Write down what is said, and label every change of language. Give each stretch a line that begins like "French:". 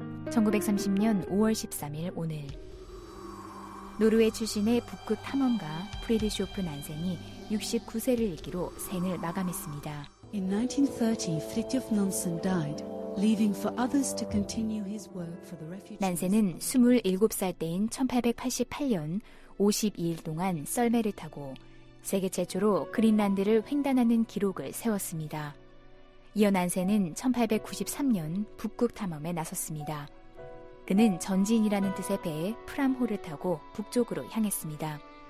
Korean: 1930년 5월 13일 오늘 노르웨이 출신의 북극 탐험가 프리드쇼프 난센이 69세를 일기로 생을 마감했습니다.
English: In 1930, Fridtjof Nansen died, leaving for others to continue his work for the refugees.
Korean: 난센은 27살 때인 1888년 52일 동안 썰매를 타고 세계 최초로 그린란드를 횡단하는 기록을 세웠습니다. 이어 난센은 1893년 북극 탐험에 나섰습니다. 그는 전진이라는 뜻의 배에 프람호를 타고 북쪽으로 향했습니다.